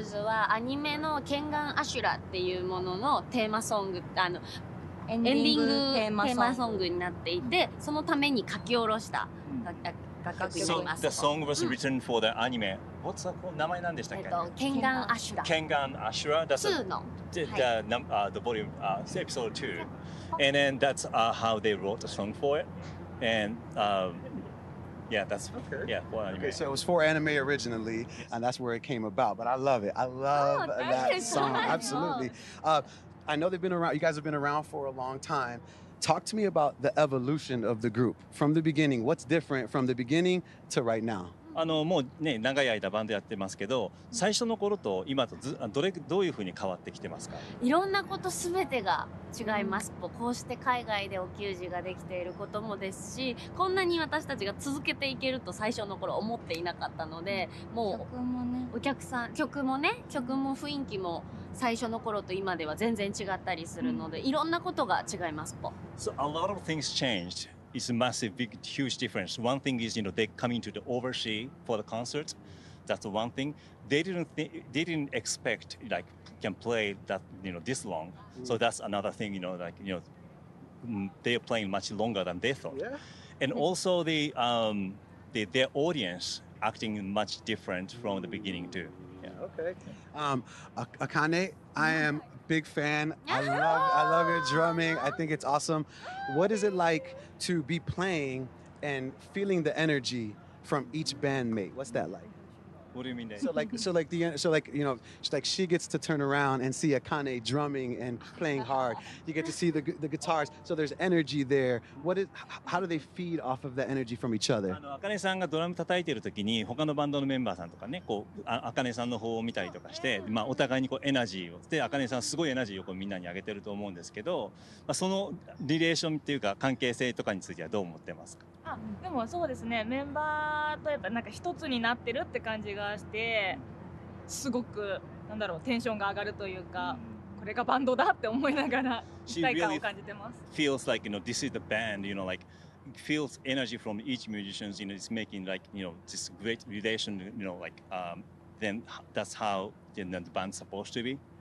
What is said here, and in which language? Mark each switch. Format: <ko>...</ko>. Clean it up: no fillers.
<ja>はアニメの剣眼アシュラっていうもののテーマソング、エンディングテーマソングになっていて、そのために書き下ろした楽曲になります。</ja> <en>So, the song was written for the anime. What's that called?</en> <ja>名前なんでしたっけ？剣眼アシュラ。剣眼アシュラ。</ja> <en>That's two の。 The volume, episode two. And then that's how they wrote the song for it. And yeah, that's okay. Yeah, for anime. Okay, so it was for anime originally, yes. And that's where it came about. But I love it. I love oh, that song. So absolutely. I know they've been around, you guys have been around for a long time. Talk to me about the evolution of the group from the beginning. What's different from the beginning to right now?</en> <ja>もうね、長い間バンドやってますけど、最初の頃と今とどういうふうに変わってきてますか？いろんなこと全てが違います。うん、こうして海外でお給仕ができていることもですし、こんなに私たちが続けていけると最初の頃思っていなかったので、もう、曲もね、お客さん、曲もね、曲も雰囲気も最初の頃と今では全然違ったりするので、うん、いろんなことが違います。</ja> <en>So a lot of things changed. It's a massive, big, huge difference. One thing is, you know, they come into the overseas for the concert. That's one thing. They didn't expect, like, can play that, you know, this long. Mm-hmm. So that's another thing, you know, like, you know, they're playing much longer than they thought. Yeah. And also their audience acting much different from the beginning too. Yeah. Okay. Akane, I am a big fan. I love your drumming. I think it's awesome. What is it like to be playing and feeling the energy from each bandmate? What's that like? What do you mean? So she gets to turn around and see Akane drumming and playing hard. You get to see the guitars. So there's energy there. How do they feed off of the energy from each other?</en> <ja>Akane さんがドラム叩いてる時に他のバンドのメンバーさんとかね、こう Akane さんの方を見たりとかして、まあお互いにこうエナジーをで Akane さんすごいエナジーをこうみんなにあげてると思うんですけど、まあそのリレーションっていうか関係性とかについてはどう思ってますか？あ、でもそうですね。メンバーとやっぱなんか一つになってるって感じがしてすごくなんだろうテンションが上がるというか、これがバンドだって思いながら一体感を感じてます。</ja> <en>She really feels like you know this is the band, you know, like feels energy from each musicians, you know, it's making like you know this great relation, you know, like then that's how you know, the band's supposed to be.</en>